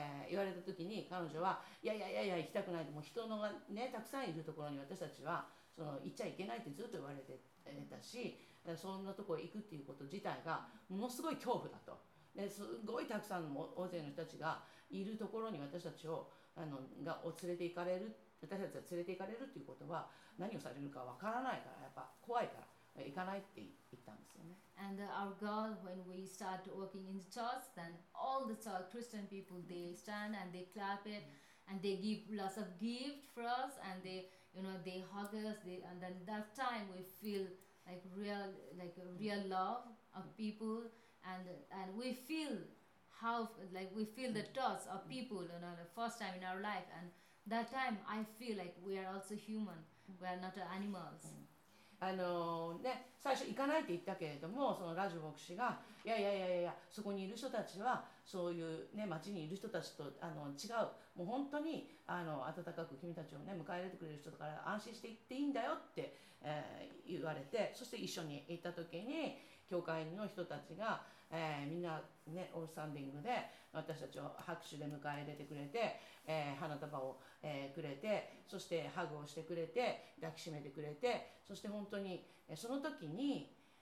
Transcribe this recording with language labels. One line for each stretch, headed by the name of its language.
Japanese: 言われた時に、彼女はいや行きたくない、もう人のがねたくさんいるところに私たちはその行っちゃいけないってずっと言われてたし、そんなところ行くっていうこと自体がものすごい恐怖だと、ですごいたくさんの大勢の人たちがいるところに私たちをがお連れて行かれる、私たちが連れて行かれるということは何をされるかわからないから、やっぱ怖いから行かないって言ったんですよね。
English: And our girl, when we start walking in the church, then all the church Christian people, they stand and they clap it, and they give lots of gift for us, and they, you know, they hug us, they, and then that time we feel like real love of people, and we feel how, like we feel the touch of people, you know, the first time in our life, andThat time, I feel like we are also human. We are not animals.
Japanese: ね、最初行かないって言ったけれども、そのラジュ牧師が、いや、そこにいる人たちは、そういうね、町にいる人たちと違う。もう本当に温かく君たちをね、迎え入れてくれる人だから、安心して行っていいんだよって、言われて、そして一緒に行った時に、教会の人たちが、みんなね、オールスタンディングで私たちを拍手で迎え入れてくれて、花束を、くれて、そしてハグをしてくれて、抱きしめてくれて、そして本当にその時に、